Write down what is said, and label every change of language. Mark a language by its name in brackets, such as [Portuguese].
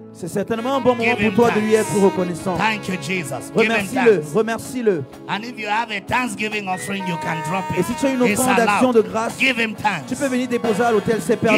[French] C'est certainement un bon moment pour toi de lui être reconnaissant. [English] Thank you, Jesus. [French] Remercie-le, remercie-le. [English] And if you have a thanksgiving offering, you can drop it. [French] Et si tu as une offrande d'action de grâce, [English] give him thanks. [French] Tu peux venir déposer à l'hôtel, c'est permis.